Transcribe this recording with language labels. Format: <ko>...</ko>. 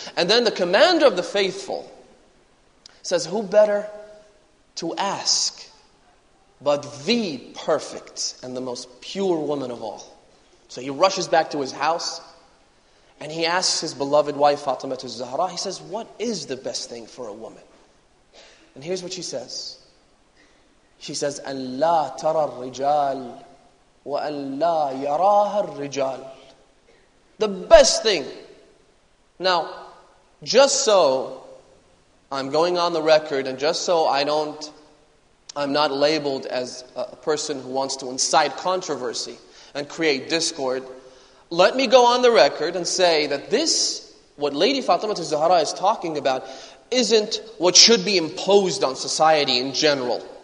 <en>And then the commander of the faithful says, who better to ask but the perfect and the most pure woman of all? So he rushes back to his house and he asks his beloved wife Fatima al-Zahra, he says, what is the best thing for a woman? And here's what she says. She says,</en> <ar>أَلَّا تَرَى الرِّجَالِ وَأَلَّا يَرَاهَا الرِّجَالِ.</ar> <en>The best thing. Now, just so I'm going on the record, and just so I'm not labeled as a person who wants to incite controversy and create discord, let me go on the record and say that this, what Lady Fatima Az-Zahra is talking about, isn't what should be imposed on society in general.</en>